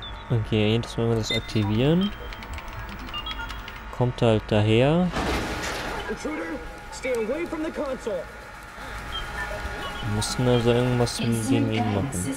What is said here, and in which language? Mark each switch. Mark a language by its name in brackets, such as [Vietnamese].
[German] Okay, jetzt müssen wir das aktivieren. Kommt halt daher. [English] Intruder, stay away from the console. [German] Wir müssen also irgendwas gegen ihn machen.